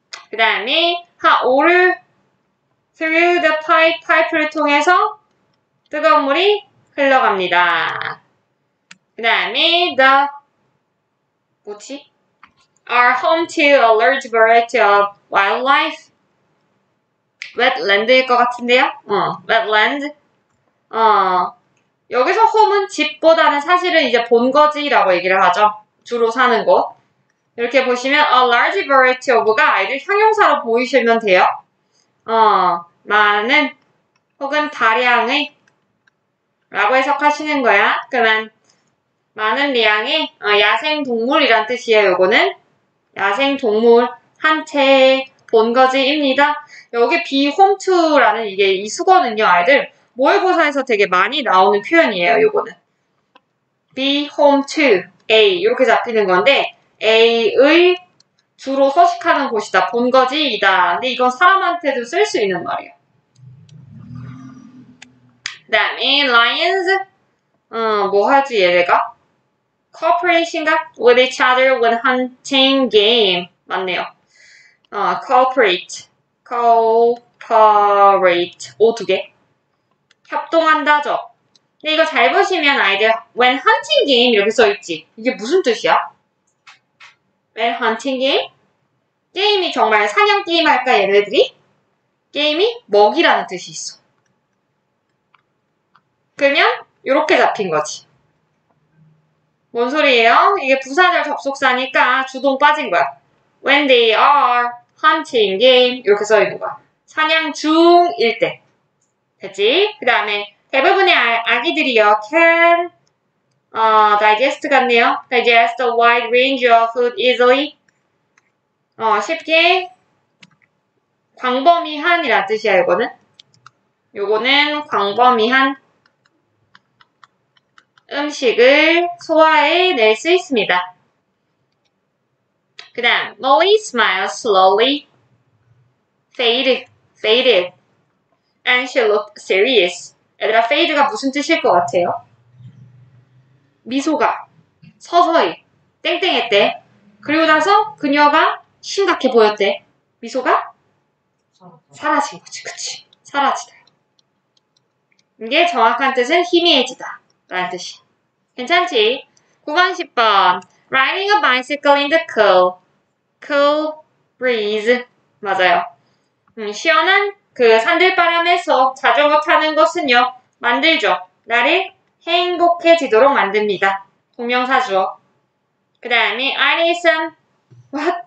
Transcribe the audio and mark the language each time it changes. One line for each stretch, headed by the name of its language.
Korean: 그다음에
English: hot water through the pipe.
Korean: 파이프를 통해서 뜨거운 물이 흘러갑니다. 그다음에 the 뭐지?
English: are home to a large variety of wildlife.
Korean: wetland일 것 같은데요?
English: wetland.
Korean: 여기서 home은 집보다는 사실은 이제 본거지라고 얘기를 하죠. 주로 사는 곳. 이렇게 보시면
English: a large variety of
Korean: 가 아이들 형용사로 보이시면 돼요. 많은 혹은 다량의 라고 해석하시는 거야. 그러면 많은 양의 야생 동물이란 뜻이에요, 요거는. 야생 동물 한 채의 본거지입니다. 여기
English: be home to
Korean: 라는 이게 이 수거는요, 아이들 모의고사에서 되게 많이 나오는 표현이에요, 요거는.
English: be home to a
Korean: 이렇게 잡히는 건데 a의 주로 서식하는 곳이다, 본거지이다. 근데 이건 사람한테도 쓸수 있는 말이야. 그다음에 lions 뭐 하지 얘네가?
English: cooperation가? with each other when hunting game.
Korean: 맞네요.
English: cooperate. cooperate.
Korean: 오, 두 개. 협동한다죠. 근데 이거 잘 보시면 아이들,
English: when hunting game
Korean: 이렇게 써있지. 이게 무슨 뜻이야?
English: when hunting game?
Korean: 게임이 정말 사냥 게임 할까, 얘네들이? 게임이 먹이라는 뜻이 있어. 그러면, 요렇게 잡힌 거지. 뭔 소리예요? 이게 부사절 접속사니까 주동 빠진 거야.
English: When they are hunting game
Korean: 이렇게 써 있는 거야. 사냥 중일 때. 됐지? 그 다음에 대부분의 아기들이요.
English: can digest
Korean: 같네요.
English: digest a wide range of food easily.
Korean: 쉽게 광범위한이란 뜻이야, 이거는. 이거는 광범위한. 음식을 소화해 낼 수 있습니다. 그 다음,
English: Molly smiled slowly. Faded. And she looked serious.
Korean: 얘들아, fade가 무슨 뜻일 것 같아요? 미소가 서서히 땡땡했대. 그리고 나서 그녀가 심각해 보였대. 미소가 사라진 거지. 그치? 사라지다. 이게 정확한 뜻은 희미해지다 라는 뜻이야. 괜찮지? 9번 10번
English: Riding a bicycle in the cool breeze.
Korean: 맞아요. 시원한 그 산들바람에서 자전거 타는 것은요. 만들죠. 나를 행복해지도록 만듭니다. 동명사죠. 그 다음에
English: I need some What?